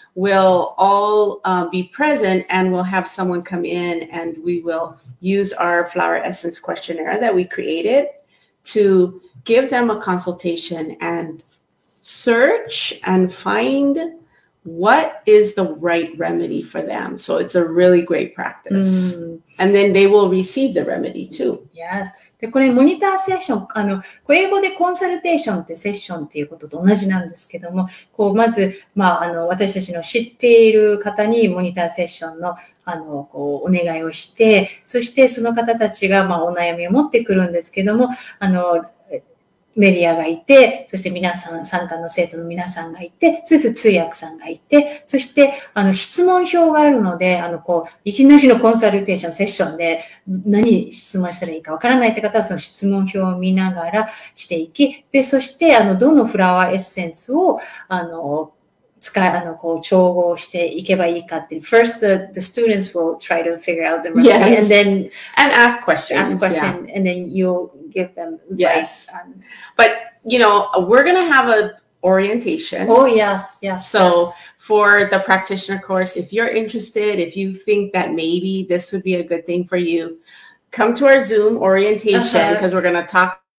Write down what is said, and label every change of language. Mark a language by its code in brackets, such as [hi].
[en] We'll all be present and we'll have someone come in and we will use our flower essence questionnaire that we created to give them a consultation and search and find what is the right remedy for them. So it's a really great practice. Mm. And then they will receive the remedy too. Yes. [ja] で、これ、モニターセッション、英語でコンサルテーションってセッションっていうことと同じなんですけども、こう、まず、まあ、私たちの知っている方にモニターセッションの、こう、お願いをして、そして、その方たちが、まあ、お悩みを持ってくるんですけども、メディアがいて、そして皆さん、参加の生徒の皆さんがいて、そして通訳さんがいて、そして、質問票があるので、こう、いきなりのコンサルテーション、セッションで、何質問したらいいかわからないって方は、その質問票を見ながらしていき、で、そして、どのフラワーエッセンスを、使い、こう、調合していけばいいかって。 [en] First, the students will try to figure out the remedy. Yes. And then, and ask questions. Ask questions.、 Yeah. And then you'll give them advice. Yes. But, you know, we're going to have an orientation. Oh, yes, yes. So for the practitioner course, if you're interested, if you think that maybe this would be a good thing for you, come to our Zoom orientation because we're going to talk.